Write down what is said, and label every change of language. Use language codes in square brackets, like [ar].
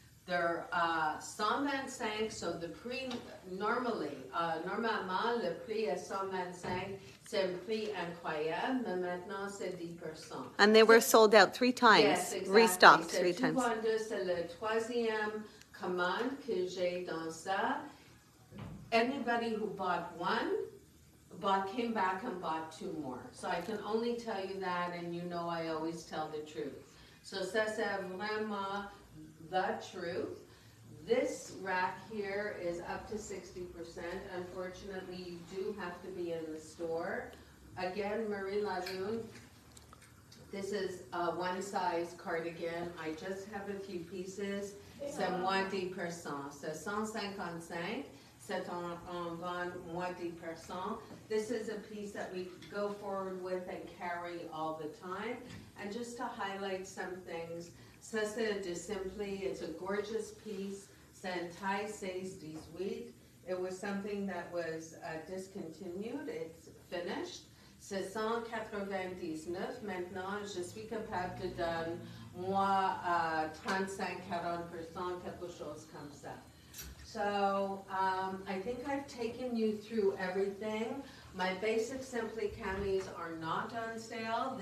[en] They're 125, so the [fr] prix, normalement, le prix est 125, c'est un prix incroyable, mais maintenant c'est 10%. [en] And they were sold out three times, yes, exactly. Restocked three times. [fr] C'est la troisième commande que j'ai dans ça. [en] Anybody who bought one, but came back and bought two more. So I can only tell you that, and you know I always tell the truth. So [fr] ça, c'est vraiment [en] the truth. This rack here is up to 60%. Unfortunately, you do have to be in the store. Again, Marie Lalonde, this is a one-size cardigan. I just have a few pieces. [fr] C'est moins 10%. C'est 155. C'est en vente moins 10%. [en] This is a piece that we go forward with and carry all the time. And just to highlight some things, [fr] ça c'est de Simply. [en] It's a gorgeous piece. [fr] C'est un taille 16-18. [en] It was something that was discontinued. It's finished. [fr] C'est 199. Maintenant, je suis capable de donner moins 35-40%, quelque chose comme ça. [en] So I think I've taken you through everything. My basic Simply camis are not on sale.